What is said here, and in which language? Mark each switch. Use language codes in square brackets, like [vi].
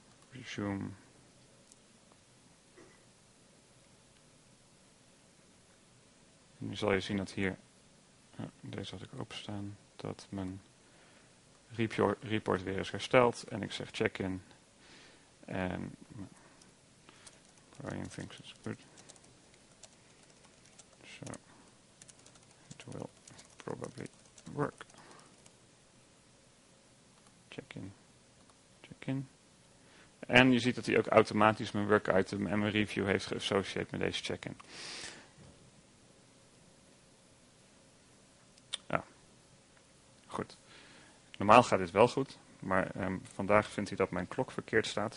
[en] Resume. [nl] En nu zal je zien dat hier, deze had ik openstaan, dat mijn report weer is hersteld. En ik zeg check-in. [en] En Brian thinks it's good. So it will probably work. Check-in. Check-in. [nl] En je ziet dat hij ook automatisch mijn work item en mijn review heeft geassocieerd met deze check-in. Ja. Goed. Normaal gaat dit wel goed, maar vandaag vindt hij dat mijn klok verkeerd staat.